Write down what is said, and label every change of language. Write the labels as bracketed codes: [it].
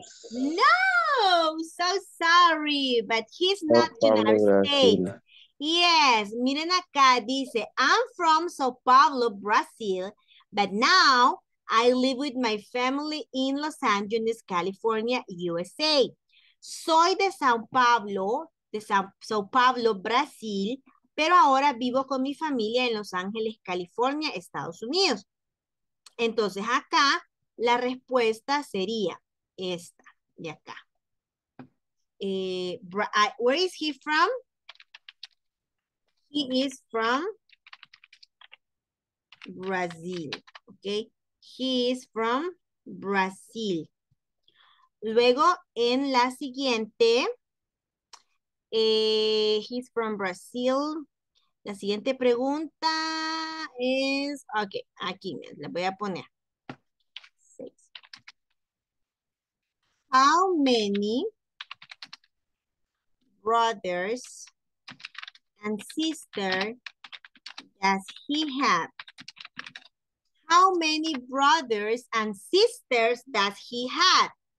[en] No, so sorry, but he's not United States. Yes, [es] miren acá, dice, [en] I'm from Sao Paulo, Brazil, but now I live with my family in Los Angeles, California, USA. [es] Soy de Sao Paulo, Brasil, pero ahora vivo con mi familia en Los Ángeles, California, Estados Unidos. Entonces acá la respuesta sería esta de acá. [en] Where is he from? He is from Brazil, okay? He is from Brazil. [es] Luego, en la siguiente, [en] he's from Brazil. [es] La siguiente pregunta es, okay, aquí me la voy a poner. [en] How many brothers and sister does he have? How many brothers and sisters does he have?